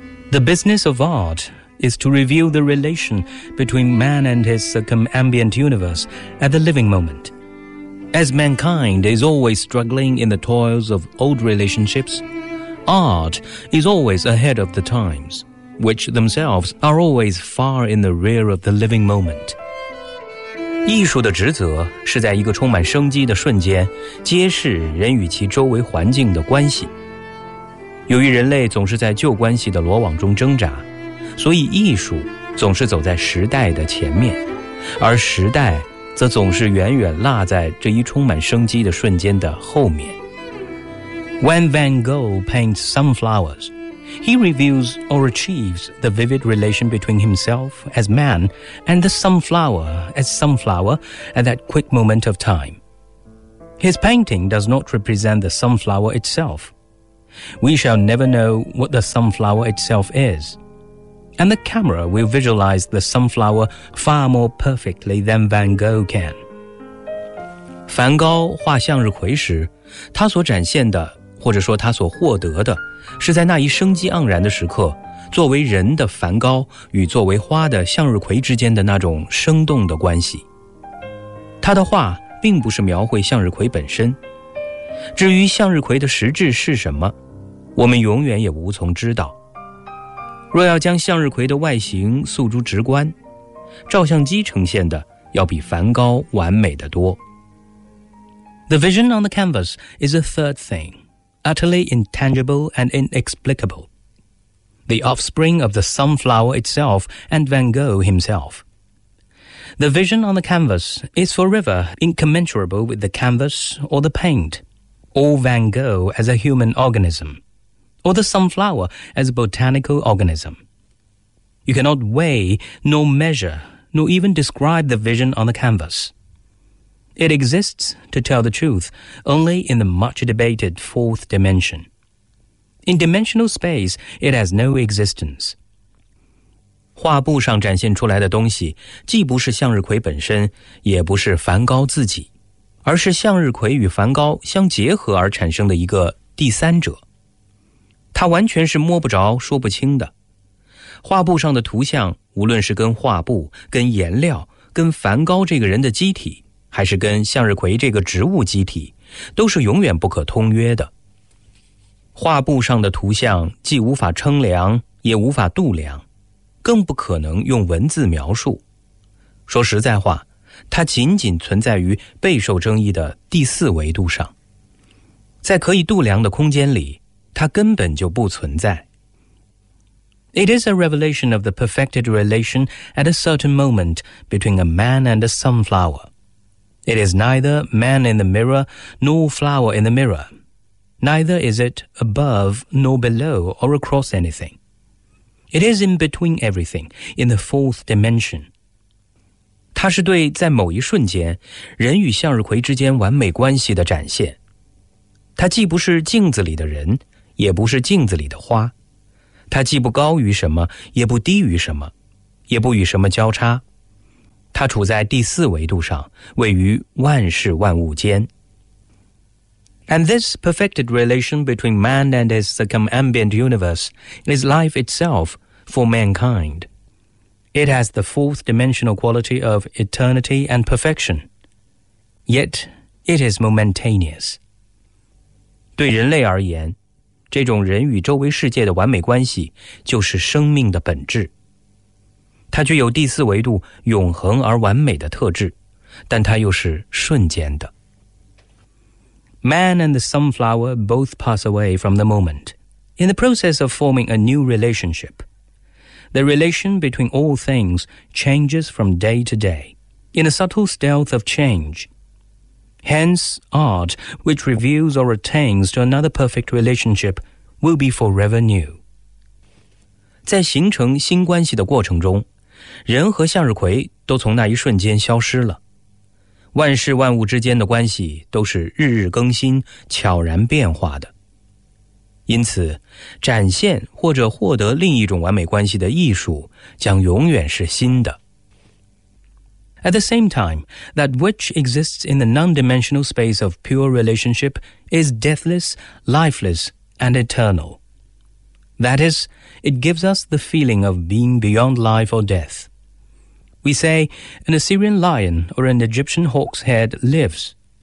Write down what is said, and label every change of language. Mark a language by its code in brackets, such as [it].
[en] The business of art is to reveal the relation between man and his circumambient universe at the living moment. As mankind is always struggling in the toils of old relationships, art is always ahead of the times, which themselves are always far in the rear of the living moment. [zh] 艺术的职责是在一个充满生机的瞬间揭示人与其周围环境的关系。由于人类总是在旧关系的罗网中挣扎，所以艺术总是走在时代的前面，而时代则总是远远落在这一充满生机的瞬间的后面。 [en] When Van Gogh paints sunflowers, he reveals or achieves the vivid relation between himself as man and the sunflower as sunflower at that quick moment of time. His painting does not represent the sunflower itself. We shall never know what the sunflower itself is. And the camera will visualize the sunflower far more perfectly than Van Gogh can. [zh] 梵高画向日葵时，他所展现的，或者说他所获得的，是在那一生机盎然的时刻，作为人的梵高与作为花的向日葵之间的那种生动的关系。他的画并不是描绘向日葵本身，至于向日葵的实质是什么，我们永远也无从知道。若要将向日葵的外形诉诸直观，照相机呈现的要比梵高完美的多。 [en] The vision on the canvas is a third thingUtterly intangible and inexplicable. The offspring of the sunflower itself and Van Gogh himself. The vision on the canvas is forever incommensurable with the canvas or the paint, or Van Gogh as a human organism, or the sunflower as a botanical organism. You cannot weigh, nor measure, nor even describe the vision on the canvas. It exists, to tell the truth, only in the much-debated fourth dimension. In dimensional space, it has no existence. [zh] 画布上展现出来的东西，既不是向日葵本身，也不是梵高自己，而是向日葵与梵高相结合而产生的一个第三者。它完全是摸不着、说不清的。画布上的图像，无论是跟画布、跟颜料、跟梵高这个人的机体，还是跟向日葵这个植物机体，都是永远不可通约的。画布上的图像既无法称量，也无法度量，更不可能用文字描述。说实在话，它仅仅存在于备受争议的第四维度上。在可以度量的空间里，它根本就不存在。 [en] It is a revelation of the perfected relation at a certain moment between a man and a sunflower. It is neither man in the mirror nor flower in the mirror. Neither is it above nor below or across anything. It is in between everything, in the fourth dimension. [zh] 它是对在某一瞬间人与向日葵之间完美关系的展现。它既不是镜子里的人，也不是镜子里的花。它既不高于什么，也不低于什么，也不与什么交叉。它处在第四维度上，位于万事万物间。 [en] And this perfected relation between man and his circumambient universe is life itself for mankind. It has the fourth dimensional quality of eternity and perfection. Yet, it is momentaneous. [zh] 对人类而言，这种人与周围世界的完美关系就是生命的本质。它具有第四维度永恒而完美的特质，但它又是瞬间的。 [en] Man and the sunflower both pass away from the moment, in the process of forming a new relationship. The relation between all things changes from day to day, in a subtle stealth of change. Hence, art, which reveals or attains to another perfect relationship, will be forever new. [zh] 在形成新关系的过程中，人和向日葵都从那一瞬间消失了。万事万物之间的关系都是日日更新、悄然变化的。因此，展现或者获得另一种完美关系的艺术将永远是新的。 [en] At the same time, that which exists in the non-dimensional space of pure relationship is deathless, lifeless, and eternal. That is, it gives us the feeling of being beyond life or death. We say, an Assyrian lion or an Egyptian hawk's head lives.